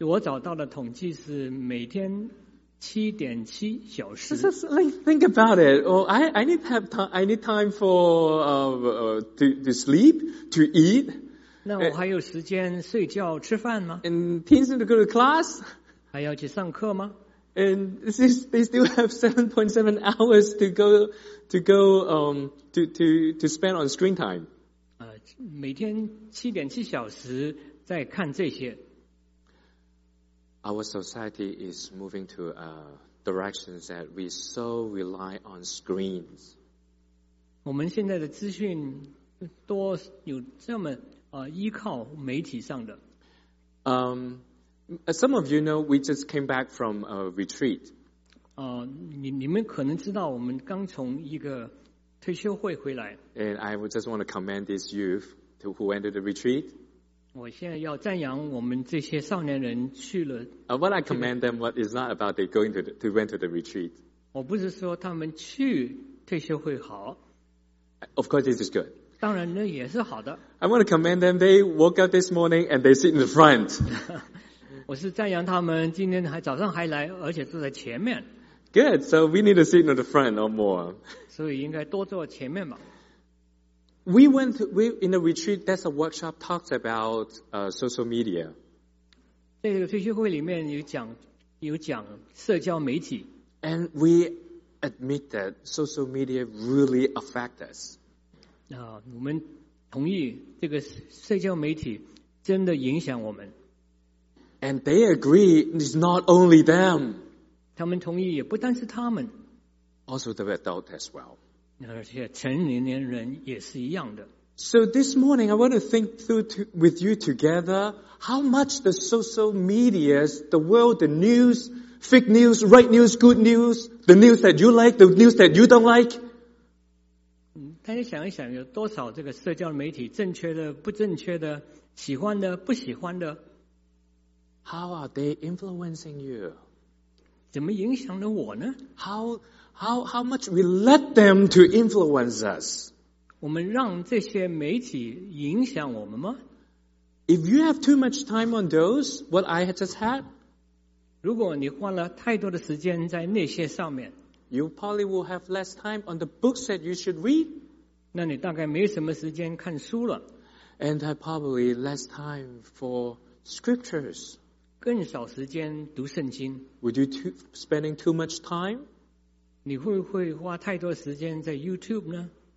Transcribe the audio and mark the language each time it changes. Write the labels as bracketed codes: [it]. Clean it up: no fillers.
[zh] 我找到的统计是每天7.7小时。 [en] Think about it. Oh, I need time for, to sleep, to eat. [zh] 那我还有时间睡觉吃饭吗 [en] ？And teens need to go to class. [zh] 还要去上课吗 [en] ？And they still have 7.7 hours to spend on screen time. [zh] 每天7.7小时在看这些。 [en] Our society is moving to a direction that we so rely on screens. [zh] 我们现在的资讯多有这么。依靠媒体上的。 [en] Some of you know we just came back from a retreat. [zh] 你们可能知道我们刚从一个退休会回来。 [en] And I would just want to commend these youth to who went to the retreat. [zh] 我现在要赞扬我们这些少年人去了。 [en] What I commend them, what is not about they going to went to the retreat. [zh] 我不是说他们去退休会好。 [en] Of course, this is good. [zh] 当然呢，也是好的。 [en] I want to commend them. They woke up this morning and they sit in the front. [zh] 我是赞扬他们今天还早上还来，而且坐在前面。 [en] Good. So we need to sit in the front or more. [zh] 所以应该多坐前面吧。 [en] We went to, we in the retreat. That's a workshop talks about social media. [zh] 在这个退休会里面有讲社交媒体。 [en] And we admit that social media really affect us. [zh] 我们同意这个社交媒体真的影响我们。 [en] And they agree it's not only them. [zh] 他们同意也不单是他们。 [en] Also the adult as well. [zh] 而且成年人也是一样的。 [en] So this morning I want to think through with you together how much the social medias, the world, the news, fake news, right news, good news, the news that you like, the news that you don't like, [zh] 大家想一想，有多少这个社交媒体正确的、不正确的、喜欢的、不喜欢的 [en] ？How are they influencing you？ [zh] 怎么影响了我呢 [en] ？How much we let them to influence us？ [zh] 我们让这些媒体影响我们吗 [en] ？If you have too much time on those, what I just had， [zh] 如果你花了太多的时间在那些上面。 [en] You probably will have less time on the books that you should read. [zh] 那你大概没什么时间看书了。 [en] and have probably less time for scriptures. [zh] 更少时间读圣经。 [en] Would you spending too much time? [zh] 你会不会花太多时间在 YouTube 呢？